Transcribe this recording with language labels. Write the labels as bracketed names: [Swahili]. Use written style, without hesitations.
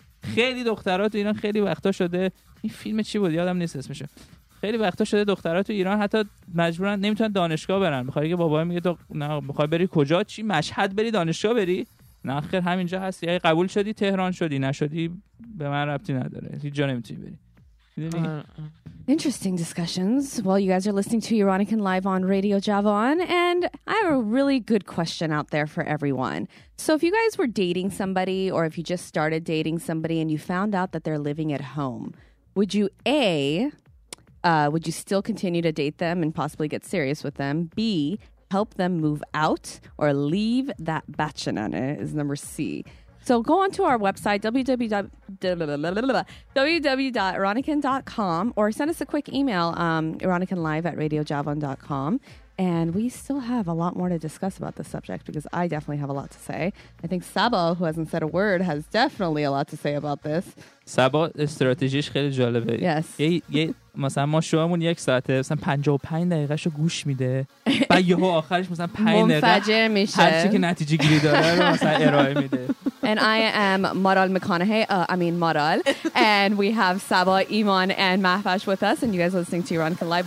[Persian] خیلی دخترها تو ایران خیلی وقتا شده، این فیلم چی بود یادم نیست اسمش، خیلی وقتا شده دخترها تو ایران حتی مجبورن نمیتونن دانشگاه برن، میخوای که بابا میگه تو نه میخوای بری کجا، چی مشهد بری دانشگاه بری، نه خیر همینجا هستی، اگه قبول شدی تهران شدی، نشدی به من ربطی نداره، هیچ جا نمیتونی بری. [English] Interesting discussions. Well, you guys are listening to Euronican Live on Radio Javon, and I have a really good question out there for everyone. So if you guys were dating somebody, or if you just started dating somebody and you found out that they're living at home, would you A, Would you still continue to date them and possibly get serious with them? B, help them move out or leave that bachanana is number C. So go on to our website, www.ironican.com, or send us a quick email, ironicanlive@radiojavon.com. And we still have a lot more to discuss about this subject, because I definitely have a lot to say. I think Sabo, who hasn't said a word, has definitely a lot to say about this. [Persian] Sabo, استراتژیش خیلی جالبه. [English] Yes. [Persian] مثلا ما شوامون یک ساعته مثلا 55 دقیقه شو گوش میده بعد یهو آخرش مثلا 5 دقیقه منفجر میشه هر چی که نتیجه گیری داره رو مثلا ارائه میده. [English] And I am Maral McConaughey, Maral, and we have Sabo, Iman and Mahfash with us, and you guys are listening to Ironica Live.